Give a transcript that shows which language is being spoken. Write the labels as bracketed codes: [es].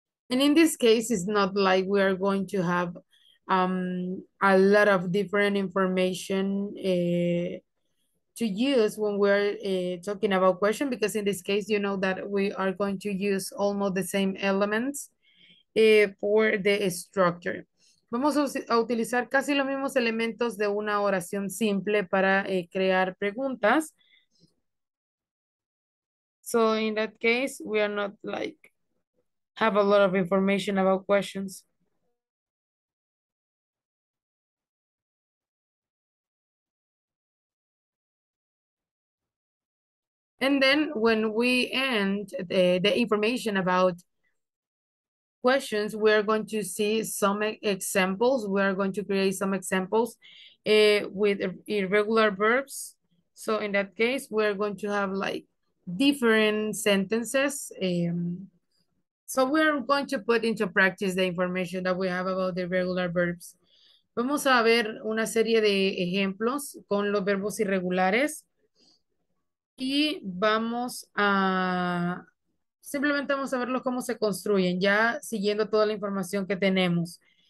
[en] And in this case, it's not like we are going to have a lot of different information to use when we're talking about questions, because in this case, you know that we are going to use almost the same elements for the structure. [es] Vamos a utilizar casi los mismos elementos de una oración simple para crear preguntas. [en] So in that case, we are not like have a lot of information about questions. And then when we end the information about questions, we are going to see some examples. We are going to create some examples with irregular verbs. So in that case, we are going to have like different sentences. So we are going to put into practice the information that we have about the irregular verbs. [es] Vamos a ver una serie de ejemplos con los verbos irregulares. Y vamos a... Simplemente vamos a verlos cómo se construyen, ya siguiendo toda la información que tenemos.